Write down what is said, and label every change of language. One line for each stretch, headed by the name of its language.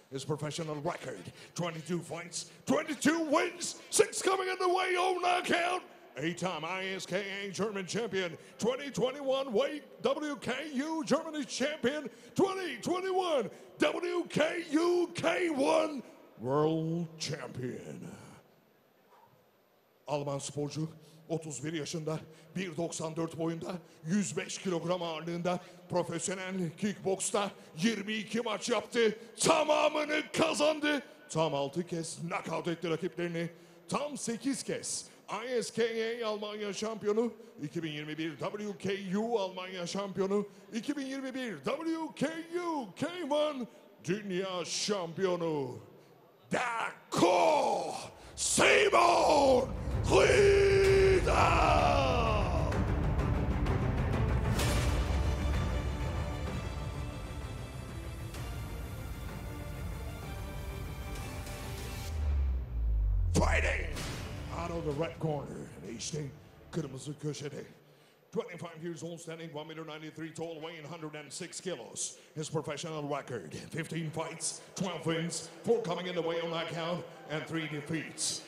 English: His professional record, 22 fights, 22 wins, 6 coming in the way, oh knockout. 8-time ISKA German champion, 2021 weight WKU Germany champion, 2021 WKU K1 world champion.
Turkish: Alman sporcu, 31 yaşında, 1.94 boyunda, 105 kilogram ağırlığında, profesyonel kickboksta 22 maç yaptı, tamamını kazandı. Tam 6 kez knockout etti rakiplerini, tam 8 kez ISKA Almanya şampiyonu, 2021 WKU Almanya şampiyonu, 2021 WKU K1 dünya şampiyonu.
English: Dako Simon Rieder! Fighting out of the red corner,
Turkish: işte kırmızı köşede.
English: 25 years old, standing 1 meter 93 tall, weighing 106 kilos. His professional record, 15 fights, 12 wins, 4 coming in the way on knockout, and 3 defeats.